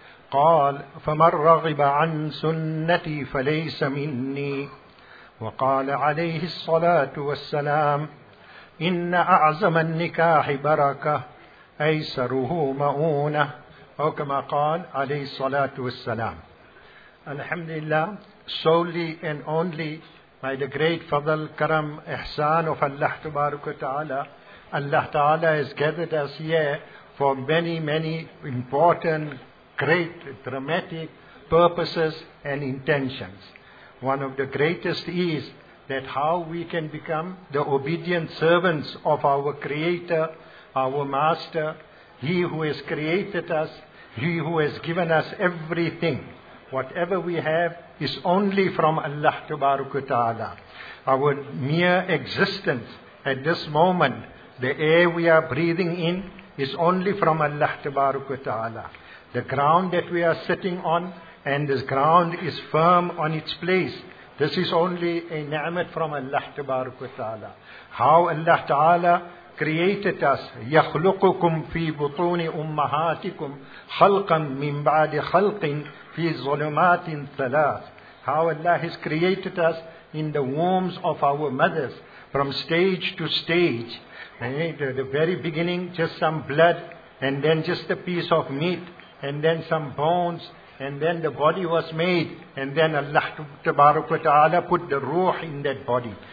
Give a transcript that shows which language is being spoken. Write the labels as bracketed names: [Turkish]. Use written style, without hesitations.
[Arabic] قال: فمن رغب عن سنتي فليس مني. وقال عليه الصلاة والسلام: إن أعظم النكاح بركة، أيسره مؤونة، أو كما قال عليه الصلاة والسلام. [English] Alhamdulillah, solely and only by the great fadl, karam, ihsan of Allah tabaraka ta'ala, Allah ta'ala has gathered us here for many, many important, great, dramatic purposes and intentions. One of the greatest is that how we can become the obedient servants of our Creator, our Master, He who has created us, He who has given us everything. Whatever we have is only from Allah tabaraka ta'ala. Our mere existence at this moment, the air we are breathing in, is only from Allah tabaraka ta'ala. The ground that we are sitting on, and this ground is firm on its place, this is only a ni'mat from Allah tabaraka ta'ala. How Allah ta'ala created us, [Arabic] يَخْلُقُكُمْ فِي بُطُونِ أُمَّهَاتِكُمْ خَلْقًا مِّن بَعْدِ خَلْقٍ فِي ظُلُمَاتٍ ثَلَاثٍ. [English] How Allah has created us in the wombs of our mothers, from stage to stage. And at the very beginning, just some blood, and then just a piece of meat, and then some bones, and then the body was made, and then Allah tabaraka wa ta'ala put the ruh in that body.